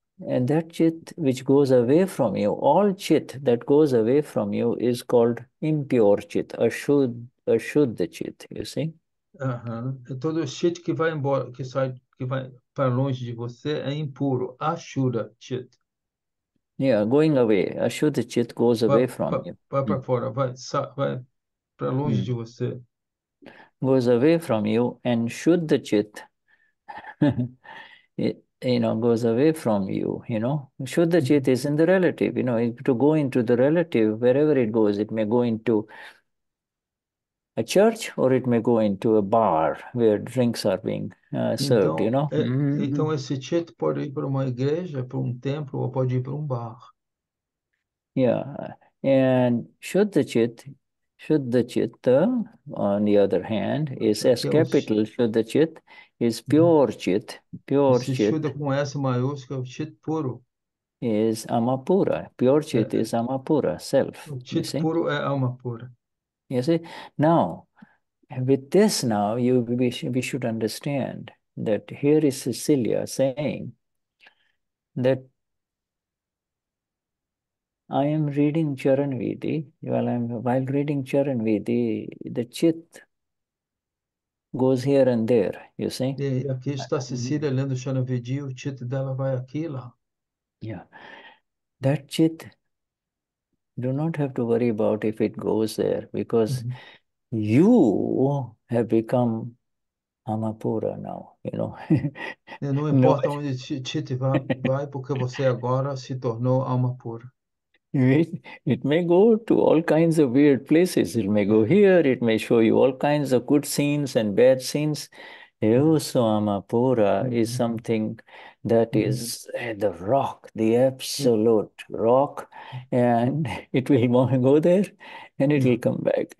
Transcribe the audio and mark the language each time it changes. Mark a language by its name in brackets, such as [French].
[English] and that chit which goes away from you, all chit that goes away from you is called impure chit, ashuddha chit, you see. [Portuguese] Todo chit que vai embora, que vai para longe de você é impuro, ashuddha chit. [English] Yeah, going away, ashuddha chit goes away from you. [Portuguese] Vai para fora, vai para longe de você. [English] Goes away from you, and Shuddha Chit, goes away from you, you know. Shuddha Chit is in the relative, you know. To go into the relative, wherever it goes, it may go into a church, or it may go into a bar where drinks are being served, [Portuguese] então, [English] you know. [Portuguese] Então esse chit pode ir para uma igreja, para templo, ou pode ir para bar. [English] Yeah, and Shuddha Chit, Shuddha Chitta, on the other hand, is S capital Shuddha Chit, is pure Chit, pure [Portuguese] esse [English] Chit. [Portuguese] Shuddha com S maiúscula, o Chit puro. [English] Is Amapura. Pure Chit is Amapura, self. [Portuguese] O Chit [English] you see? [Portuguese] Puro é alma pura. [English] You see? Now, with this now, we should understand that here is Cecilia saying that I am reading Charanvedi. While reading Charanvedi, the chit goes here and there, you see? [Portuguese] E aqui está Cecília lendo Charanvedi, o chit dela vai aqui lá. [English] Yeah. That chit, do not have to worry about if it goes there, because you have become Amapura now, you know. [Portuguese] Não importa onde chit vai, porque você agora se tornou Amapura. [English] It may go to all kinds of weird places. It may go here. It may show you all kinds of good scenes and bad scenes. Eso Amapura is something that is the rock, the absolute rock. And it will go there and it will come back.